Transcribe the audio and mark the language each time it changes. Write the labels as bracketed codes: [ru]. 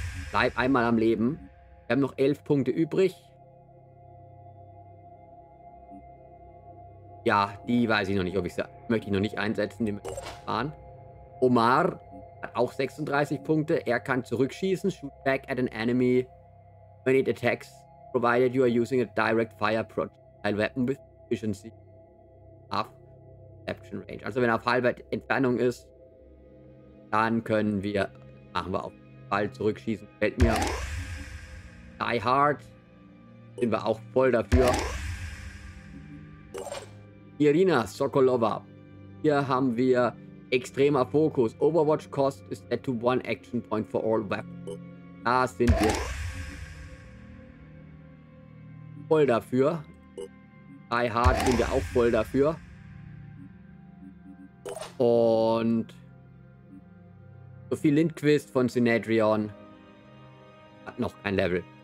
[de] Bleib einmal am Leben. Wir haben noch 11 Punkte übrig. Ja, die weiß ich noch nicht, ob ich sie... Möchte ich noch nicht einsetzen, die möchte ich fahren. Omar hat auch 36 Punkte. Er kann zurückschießen. [en] Shoot back at an enemy when it attacks. Provided you are using a direct fire projectile weapon with efficiency half perception range. [de] Also wenn er auf halber Entfernung ist, dann können wir, machen wir auf den Ball zurückschießen. Fällt mir. Die Hard sind wir auch voll dafür. Irina Sokolova. Hier haben wir extremer Fokus. [en] Overwatch cost is set to one action point for all weapons. [de] Da sind wir. Voll dafür. Die Hard sind wir auch voll dafür. Und Sophie Lindquist von Synedrion hat noch kein Level.